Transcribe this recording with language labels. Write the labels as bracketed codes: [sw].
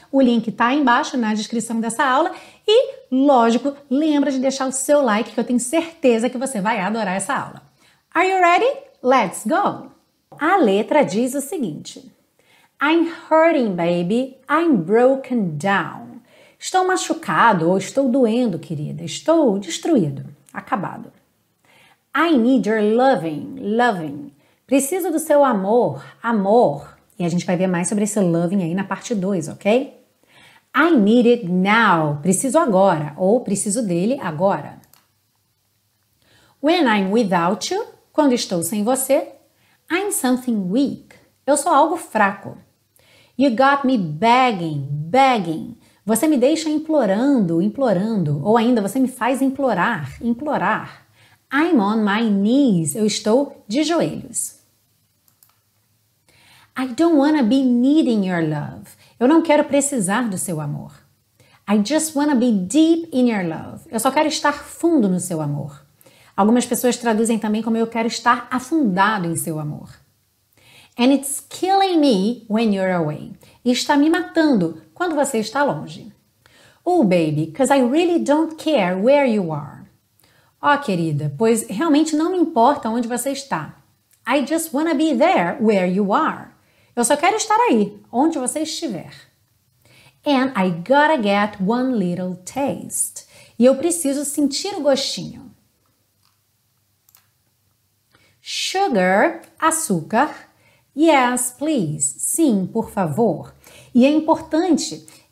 [pt] O link está embaixo na descrição dessa aula e, lógico, lembra de deixar o seu like que eu tenho certeza que você vai adorar essa aula. [en] Are you ready? Let's go! [pt] A letra diz o seguinte: [en] I'm hurting, baby. I'm broken down. [pt] Estou machucado ou estou doendo, querida. Estou destruído, acabado. [en] I need your loving, loving. [pt] Preciso do seu amor, amor. E a gente vai ver mais sobre esse loving aí na parte 2, ok? [en] I need it now. [pt] Preciso agora ou preciso dele agora. [en] When I'm without you, [pt] quando estou sem você, [en] I'm something weak, [pt] eu sou algo fraco. [en] You got me begging, begging, [pt] você me deixa implorando, implorando, ou ainda você me faz implorar, implorar. [en] I'm on my knees, [pt] eu estou de joelhos. [en] I don't wanna be needing your love, [pt] eu não quero precisar do seu amor. [en] I just wanna be deep in your love, [pt] eu só quero estar fundo no seu amor. Algumas pessoas traduzem também como eu quero estar afundado em seu amor. [en] And it's killing me when you're away. [pt] E está me matando quando você está longe. [en] Oh, baby, 'cause I really don't care where you are. [pt] Oh, querida, pois realmente não me importa onde você está. [en] I just wanna be there where you are. [pt] Eu só quero estar aí, onde você estiver. [en] And I gotta get one little taste. [pt] E eu preciso sentir o gostinho. Sugar, açúcar. [en] Yes, please. [pt] Sim, por favor. E é importante